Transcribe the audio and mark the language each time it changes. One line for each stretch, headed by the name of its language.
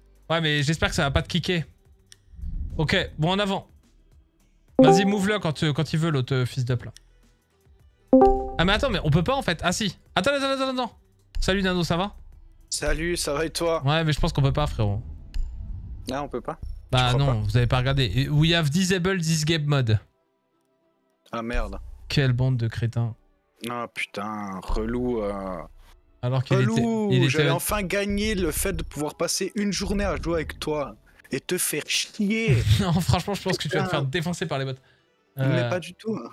French: Ouais, mais j'espère que ça va pas te kicker. Ok, bon, en avant. Vas-y, move-le quand il veut, l'autre fils d'up, là. Ah, mais attends, mais on peut pas, en fait. Ah, si. Attends. Salut, Nano, ça va? Salut, ça va et toi? Ouais, mais je pense qu'on peut pas, frérot. Non, on peut pas. Bah non, vous avez pas regardé.
English: We have disabled this game mode.
French: Ah merde. Quelle bande de crétins. Ah putain, relou. Alors qu'il relou, était... j'avais enfin gagné le fait de pouvoir passer une journée à jouer avec toi et te faire chier. Non, franchement, je pense putain. Que tu vas te faire défoncer par les bots. Mais pas du tout. Hein.